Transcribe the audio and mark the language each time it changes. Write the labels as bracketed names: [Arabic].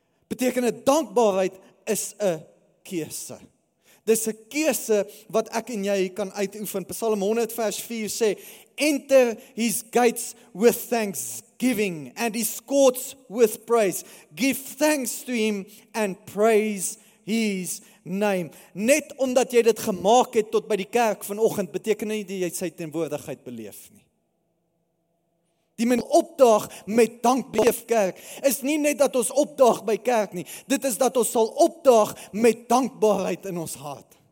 [Afrikaans] Beteken het, dankbaarheid is 'n keuse. Dis 'n keuse wat ek en jy kan uitoefen. Psalm 100 vers 4 sê, [English] Enter his gates with thanksgiving and his courts with praise. Give thanks to him and praise his name. [Afrikaans] Net omdat jy dit gemaak het tot by die kerk vanoggend, beteken nie dat jy sy teenwoordigheid beleef nie. Die men opdaag met dankbeef kerk, is nie net dat ons opdaag by kerk nie, dit is dat ons sal opdaag met dankbaarheid in ons hart.